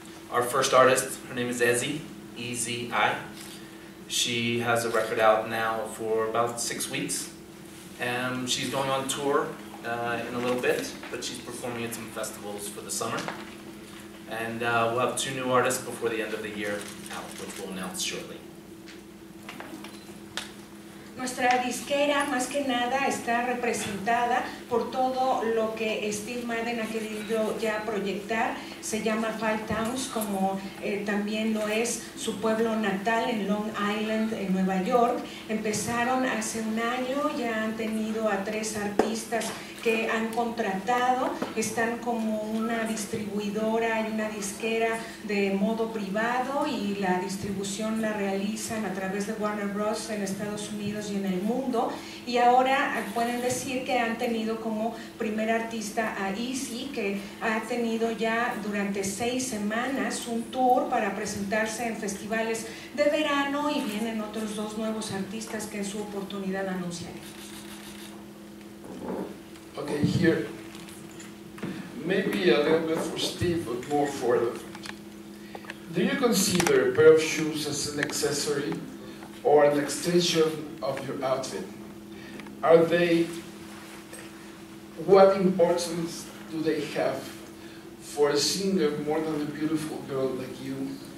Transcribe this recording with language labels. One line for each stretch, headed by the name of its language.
English: Our first artist, her name is Ezzy, E-Z-I. She has a record out now for about 6 weeks, and she's going on tour in a little bit, but she's performing at some festivals for the summer. And we'll have two new artists before the end of the year out, which we'll announce shortly.
Spanish: Nuestra disquera, más que nada, está representada por todo lo que Steve Madden ha querido ya proyectar. Se llama Five Towns, como también lo es su pueblo natal en Long Island, en Nueva York. Empezaron hace un año, ya han tenido a tres artistas que han contratado. Están como una distribuidora y una disquera de modo privado y la distribución la realizan a través de Warner Bros. En Estados Unidos y en el mundo, y ahora pueden decir que han tenido como primer artista a Easy, que ha tenido ya durante 6 semanas un tour para presentarse en festivales de verano, y vienen otros dos nuevos artistas que en su oportunidad anunciaremos.
English: Okay, here maybe a little bit for Steve, but more for the front. Do you consider a pair of shoes as an accessory or an extension of your outfit? Are they, what importance do they have for a singer more than a beautiful girl like you?